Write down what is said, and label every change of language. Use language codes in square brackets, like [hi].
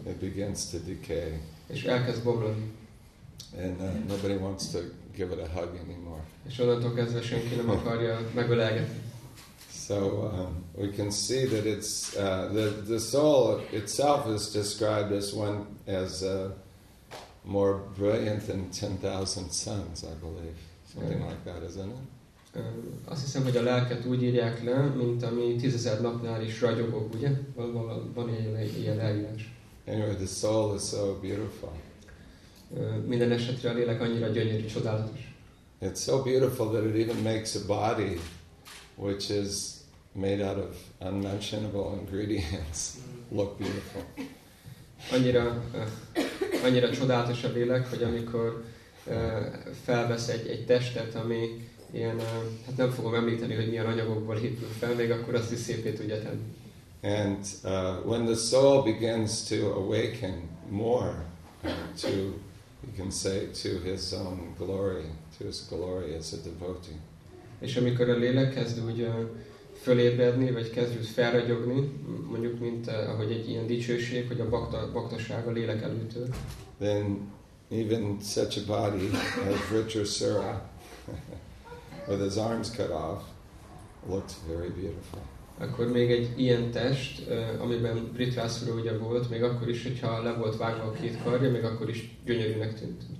[en] It begins to decay. [hu] És elkezd bomlani. [en] And nobody wants to give it a hug anymore. [hu] És onnantól kezdve senki nem akarja megölelgetni. [en] So we can see that it's the soul itself is described as one as more brilliant than 10,000 suns, I believe, something like that, isn't it? [hu] Azt hiszem, hogy a lelket úgy írják le, mint ami 10,000 napnál is ragyogok, ugye? Van ilyen leírás. [en] Anyway, the soul is so beautiful. [hu] Minden esetre a lélek annyira gyönyörű, csodálatos. [en] It's so beautiful that it even makes a body which is made out of unmentionable ingredients look beautiful. [hu] Annyira csodálatos a lélek, hogy amikor felvesz egy testet, ami ilyen, hát nem fogom említeni, hogy milyen anyagokból épül fel, még akkor azt is szépét tudja tenni. [en] And when the soul begins to awaken more to, you can say, to his own glory, to his glory as a devotee. [hu] És amikor a lélek kezd úgy fölébredni, vagy kezd úgy felragyogni, mondjuk, mint ahogy egy ilyen dicsőség, hogy a baktasága a lélek előtől. [en] Then even such a body as Vritrasura, with his arms cut off, looked very beautiful. [hu] Akkor még egy ilyen test, amiben Vritrasura ugye volt, még akkor is, hogyha le volt vágva a két karja, még akkor is gyönyörűnek tűnt.